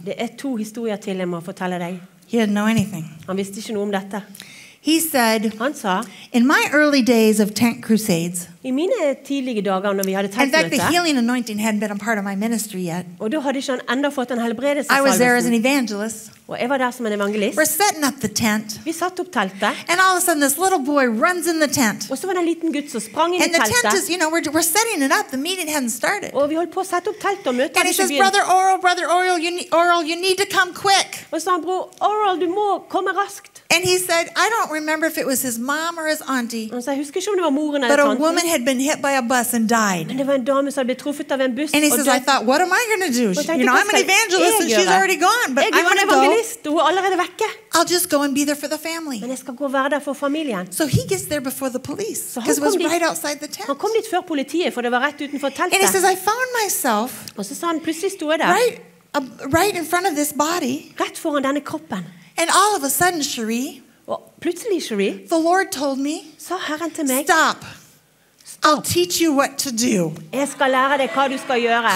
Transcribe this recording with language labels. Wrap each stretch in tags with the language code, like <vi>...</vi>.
<no>Det to historier til jeg må fortelle deg.</no> <en>He didn't know anything.</en> <no>Han visste ikke noe om dette.</no> <en>He said,</en> <no>han sa,</no> <en>in my early days of tent crusades,</en> <no>I mine tidlige dager når vi hadde teltmøte,</no> <en>in fact, the healing anointing hadn't been a part of my ministry yet.</en> <no>Og da hadde ikke han enda fått den helbredelsen.</no> <en>I was there as an evangelist.</en> <no>Og jeg var der som en evangelist.</no> <en>We're setting up the tent.</en> <no>Vi satt opp teltet.</no> <en>And all of a sudden, this little boy runs in the tent.</en> <no>Og så var det en liten gutt som sprang inn</no> <en>and</en> <no>I teltet.</no> <en>And the tent is, you know, we're setting it up. The meeting hadn't started.</en> <no>Og vi holdt på å sette opp teltet og møtet.</no> <en>And he says, Brother Oral, you need to come quick.</en> <no>Og så han, bro, Oral, du må komme raskt.</no> <en>And he said, I don't remember if it was his mom or his auntie.</en> <no>Han sa, husker ikke om det var moren eller tanten.</no> <en>But a woman had been hit by a bus and died.</en> <no>Men det var en dame som ble truffet av en buss.</no> <en>And he says, I thought, what am I going to do? You know, I'm an evangelist and she's already gone. But I'm going to go. I'll just go and be there for the family.</en> <no>Men jeg skal gå være der for familien.</no> <en>So he gets there before the police because it was right outside the tent.</en> <no>Han kom dit før politiet for det var rett utenfor teltet.</no> <en>And he says, I found myself.</en> <no>Og så sa han plutselig stod jeg der.</no> <en>Right in front of this body.</en> <no>Rett foran denne kroppen.</no> <en>And all of a sudden, Cherie.</en> <no>Og plutselig, Cherie.</no> <en>The Lord told me.</en> <no>Så Herren til meg.</no> <en>Stop. I'll teach you what to do.</en> <no>Jeg skal lære deg hva du skal gjøre.</no>